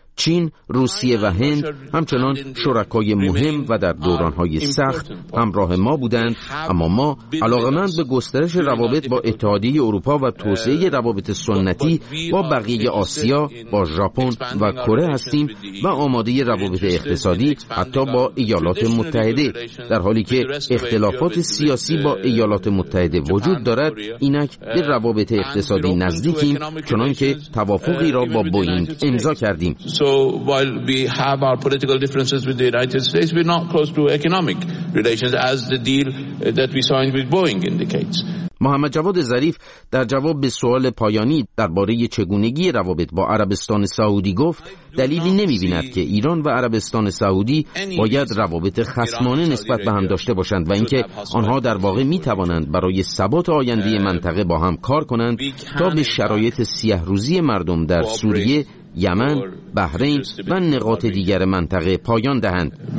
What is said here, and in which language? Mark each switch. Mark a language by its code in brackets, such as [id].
[fa] چین، روسیه و هند همچنان شرکای مهم و در دورانهای سخت همراه ما بودند، اما ما علاقمند به گسترش روابط با اتحادیه اروپا و توسعه روابط سنتی با بقیه آسیا، با ژاپن و کره هستیم و آماده روابط اقتصادی حتی با ایالات متحده. در حالی که اختلافات سیاسی با ایالات متحده وجود دارد، اینک به روابط اقتصادی نزدیکیم چنان که توافقی را با بوئینگ امضا کردیم. [en] So So while we have our political differences with the United States, we're not close to economic relations as the deal that we signed with Boeing indicates. [fa] محمد جواد ظریف در جواب به سوال پایانی درباره چگونگی روابط با عربستان سعودی گفت دلیلی نمی‌بیند که ایران و عربستان سعودی باید روابط خصمانه نسبت به هم داشته باشند و اینکه آنها در واقع می‌توانند برای ثبات آینده منطقه با هم کار کنند تا به شرایط سیه‌روزی مردم در سوریه، یمن، بحرین و نقاط دیگر منطقه پایان دهند.